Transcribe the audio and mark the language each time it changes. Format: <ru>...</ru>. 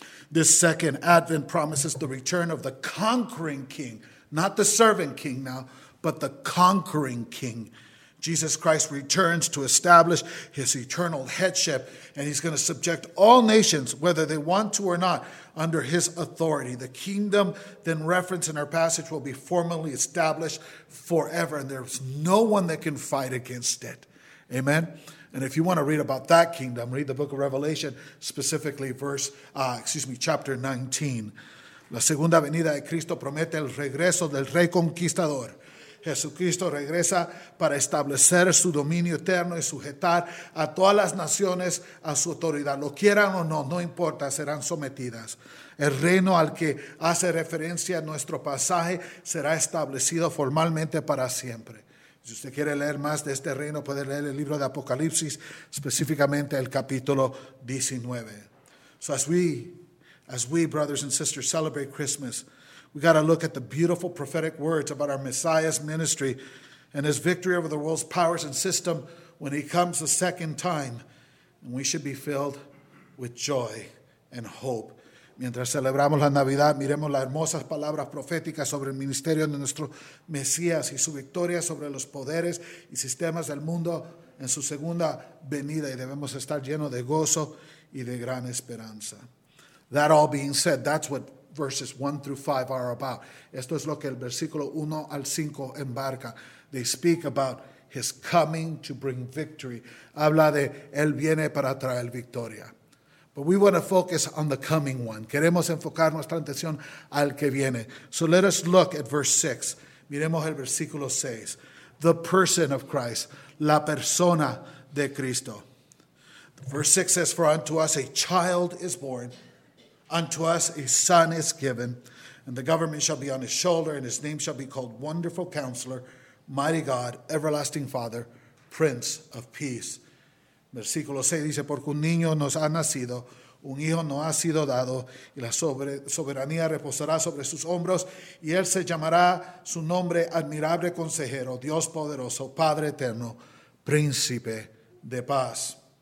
<en>This second advent promises the return of the conquering king. Not the servant king now, but the conquering king. Jesus Christ returns to establish his eternal headship, and he's going to subject all nations, whether they want to or not, under his authority. The kingdom then referenced in our passage will be formally established forever, and there's no one that can fight against it. Amen? And if you want to read about that kingdom, read the book of Revelation, specifically chapter 19.</en> <es>La segunda venida de Cristo promete el regreso del Rey Conquistador. Jesucristo regresa para establecer su dominio eterno y sujetar a todas las naciones a su autoridad. Lo quieran o no, no importa, serán sometidas. El reino al que hace referencia nuestro pasaje será establecido formalmente para siempre. Si usted quiere leer más de este reino, puede leer el libro de Apocalipsis, específicamente el capítulo 19.</es> <en>So as we, brothers and sisters, celebrate Christmas, we got to look at the beautiful prophetic words about our Messiah's ministry and his victory over the world's powers and system when he comes a second time. And we should be filled with joy and hope.</en> <es>Mientras celebramos la Navidad, miremos las hermosas palabras proféticas sobre el ministerio de nuestro Mesías y su victoria sobre los poderes y sistemas del mundo en su segunda venida. Y debemos estar llenos de gozo y de gran esperanza.</es> <en>That all being said, that's what verses 1 through 5 are about.</en> <es>Esto es lo que el versículo 1 al 5 embarca.</es> <en>They speak about his coming to bring victory.</en> <es>Habla de él viene para traer victoria.</es> <en>But we want to focus on the coming one.</en> <es>Queremos enfocar nuestra atención al que viene.</es> <en>So let us look at verse 6.</en> <es>Miremos el versículo 6.</es> <en>The person of Christ.</en> <es>La persona de Cristo.</es> <en>Verse 6 says, for unto us a child is born, unto us a son is given, and the government shall be on his shoulder, and his name shall be called Wonderful Counselor, Mighty God, Everlasting Father, Prince of Peace.</en> <es>Versículo 6 dice, porque un niño nos ha nacido, un hijo nos ha sido dado, y la soberanía reposará sobre sus hombros, y él se llamará su nombre Admirable Consejero, Dios Poderoso, Padre Eterno, Príncipe de Paz.</es>